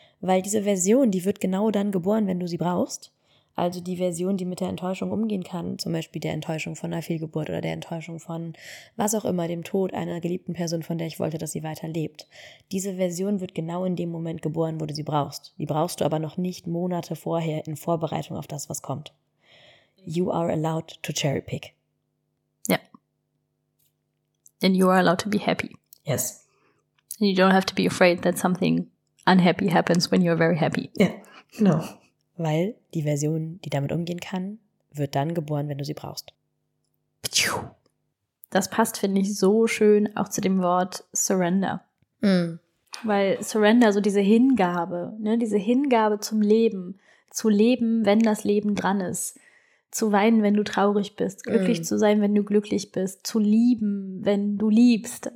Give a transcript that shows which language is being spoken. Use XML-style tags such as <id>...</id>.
<de>Weil diese Version, die wird genau dann geboren, wenn du sie brauchst. Also die Version, die mit der Enttäuschung umgehen kann, zum Beispiel der Enttäuschung von einer Fehlgeburt oder der Enttäuschung von was auch immer, dem Tod einer geliebten Person, von der ich wollte, dass sie weiterlebt. Diese Version wird genau in dem Moment geboren, wo du sie brauchst. Die brauchst du aber noch nicht Monate vorher in Vorbereitung auf das, was kommt.</de> <en>You are allowed to cherry pick.</en> <de>Ja.</de> <en>Yeah. And you are allowed to be happy. Yes. And you don't have to be afraid that something unhappy happens when you're very happy. Yeah. No.</en> <de>Weil die Version, die damit umgehen kann, wird dann geboren, wenn du sie brauchst. Das passt, finde ich, so schön auch zu dem Wort Surrender. Mm. Weil Surrender, so diese Hingabe, ne, diese Hingabe zum Leben, zu leben, wenn das Leben dran ist, zu weinen, wenn du traurig bist, glücklich zu sein, wenn du glücklich bist, zu lieben, wenn du liebst.</de>